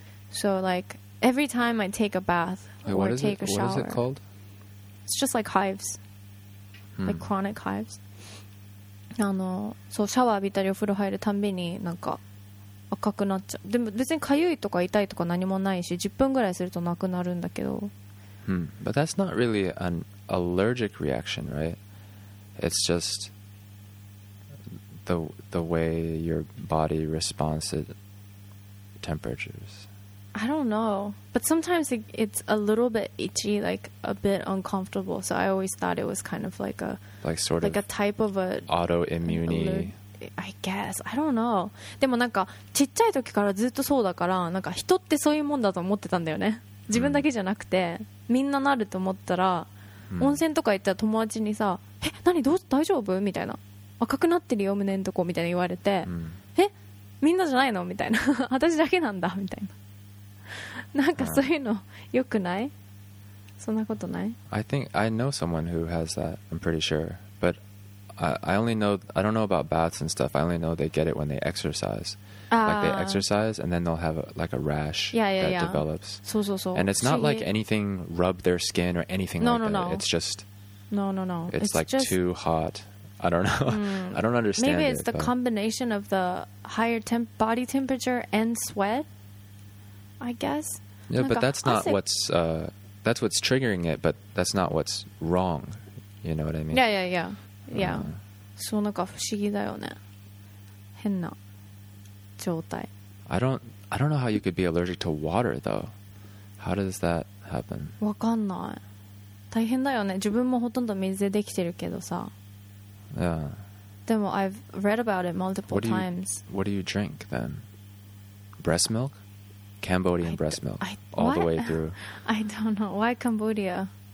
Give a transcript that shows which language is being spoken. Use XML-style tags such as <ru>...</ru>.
<en>So like every time I take a bath or take a shower. What is it called? It's just like hives, like chronic hives.</en> <ja>あのそうシャワー浴びたりお風呂入るたんびになんか赤くなっちゃう。でも別に痒いとか痛いとか何もないし、10分ぐらいするとなくなるんだけど。 Hmm.</ja> <en>But that's not really an allergic reaction, right? It's just the way your body responds to temperatures. I don't know. But sometimes it's a little bit itchy, like a bit uncomfortable. So I always thought it was kind of like a... Like sort like Like a type of a... Autoimmune... I guess. I don't know.</en> <ja>でもなんかちっちゃい時からずっとそうだから、なんか人ってそういうもんだと思ってたんだよね。自分だけじゃなくて、みんななると思ったら、温泉とか行ったら友達にさ、何どう大丈夫みたいな、赤くなってるよ胸のとこみたいな言われて、みんなじゃないのみたいな、私だけなんだみたいな、なんかそういうの良くない？そんなことない？</ja> <en>I think I know someone who has that. I'm pretty sure, but I only know I don't know about baths and stuff. I only know they get it when they exercise. Like they exercise and then they'll have like a rash that develops.</en> <ja>そうそうそう。</ja> <en>And it's not like anything rub their skin or anything no, like no, that. No. It's just no no no. It's like just... too hot. I don't know. I don't understand. Maybe it's it, the but... combination of the higher temp body temperature and sweat. I guess. Yeah, but that's not what's that's what's triggering it, but that's not what's wrong. You know what I mean? Yeah. Yeah.</en> <ja>そうなんか不思議だよね。変な状態。</ja> <en>I don't know how you could be allergic to water though. How does that happen?</en> <ja>わかんない。大変だよね。自分もほとんど水でできてるけどさ。</ja> <en>Yeah. でも I've read about it multiple times. What do you drink then? Breast milk? Cambodian breast milk. All the way through. I don't know. Why Cambodia?</en>